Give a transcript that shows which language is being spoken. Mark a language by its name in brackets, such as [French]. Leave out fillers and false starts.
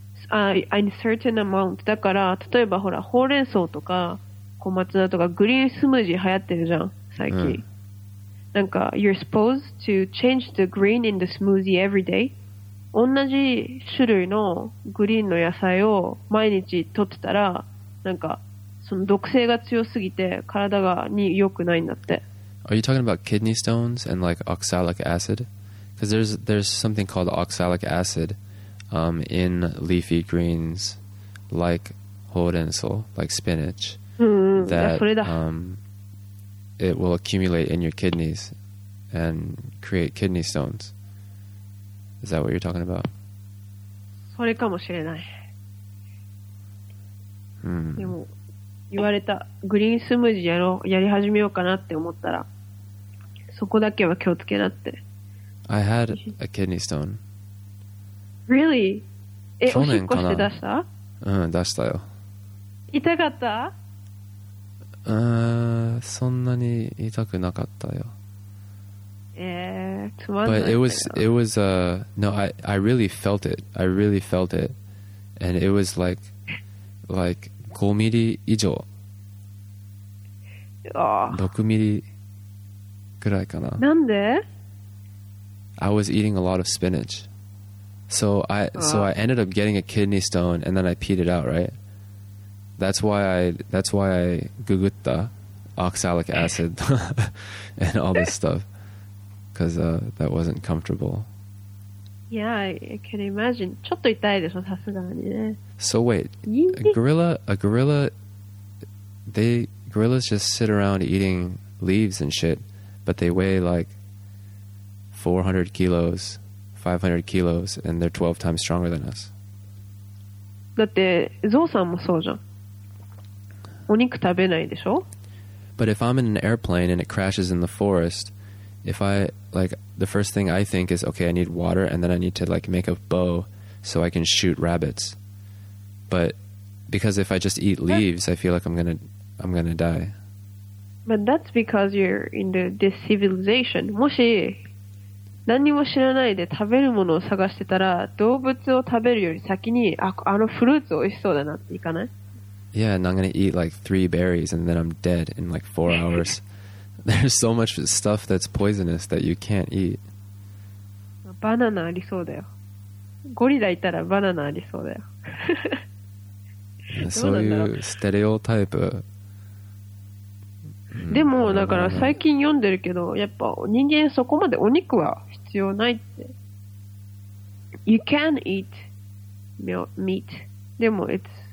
[English] A certain amount. [Japanese] だから例えばほらほうれん草とか小松菜とかグリーンスムージー流行ってるじゃん最近、うん、なんか [English] You're supposed to change the green in the smoothie every day. [Japanese] 同じ種類のグリーンの野菜を毎日取ってたらなんかその毒性が強すぎて体がに良くないんだって。 [English] Are you talking about kidney stones and like oxalic acid? Because there's something called oxalic acidin leafy greens like ほうれん草, like spinach, that it will accumulate in your kidneys and create kidney stones. Is that what you're talking about? [Japanese] それかもしれない。でも言われたグリーンスムージーやり始めようかなって思ったらそこだけは気をつけなって。 [English] I had a kidney stone. Really? [Japanese] 去年かな? おしっこして出した? うん、出したよ。痛かった? そんなに痛くなかったよ。つまんない。 [English] But it was, no, I really felt it. I really felt it. And it was like 5 [Japanese] ミリ以上。 6ミリぐらいかな。なんで? [English] I was eating a lot of spinach. So I ended up getting a kidney stone and then I peed it out, right? That's why I googled the oxalic acid and all this stuff. Because that wasn't comfortable. Yeah, I can imagine. [Japanese] ちょっと痛いでしょ、さすがにね。 [English] So wait, gorillas just sit around eating leaves and shit, but they weigh like 400 kilos. 500 kilos and they're 12 times stronger than us. [Japanese] だってゾウさんもそうじゃん。お肉食べないでしょ? [English] But if I'm in an airplane and it crashes in the forest, if I, like, the first thing I think is, okay, I need water and then I need to, like, make a bow so I can shoot rabbits. But because if I just eat leaves, I feel like I'm gonna die. But that's because you're in this civilization. [Japanese] もし何も知らないで食べるものを探してたら動物を食べるより先に あのフルーツ美味しそうだなっていかない? [English] Yeah, and I'm gonna eat like 3 berries and then I'm dead in like 4 hours. There's so much stuff that's poisonous that you can't eat. [Japanese] バナナありそうだよ。ゴリラいたらバナナありそうだよ。そういうステレオタイプ。でもだから最近読んでるけどやっぱ人間そこまでお肉は必要ないって [English] You can eat meat [Japanese] でも [English] it's